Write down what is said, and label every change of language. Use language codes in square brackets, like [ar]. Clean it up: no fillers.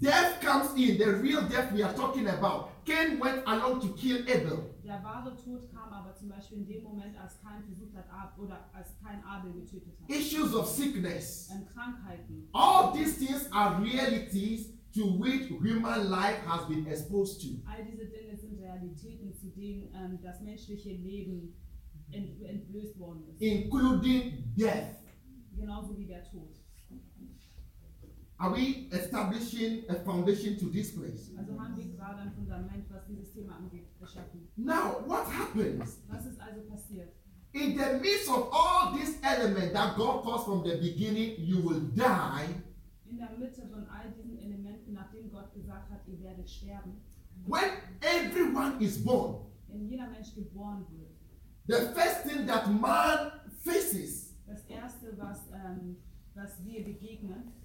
[en] Death comes in, the real death we are talking about. Cain went along to kill Abel. [de] Der wahre Tod kam aber zum Beispiel in dem Moment, als Cain versucht hat, als Cain Abel getötet hat. [en] Issues of sickness. [de] Und Krankheiten. [en] All these things are realities to which human life has been exposed to. [de] All diese Dinge sind Realitäten, zu denen das menschliche Leben entblößt worden ist. [en] Including death. [de] Genauso wie der Tod. [en] Are we establishing a foundation to this place? [de] Also haben wir gerade ein Fundament, was dieses Thema angeht, geschaffen. [en] Now, what happens? [de] Was ist also passiert? [en] In the midst of all these elements that God caused from the beginning, you will die. [de] In der Mitte von all diesen Elementen, nachdem Gott gesagt hat, ihr werdet sterben. [en] When everyone is born. [de] Wenn jeder Mensch geboren wird. [en] The first thing that man faces. [de] Das erste, was wir begegnen.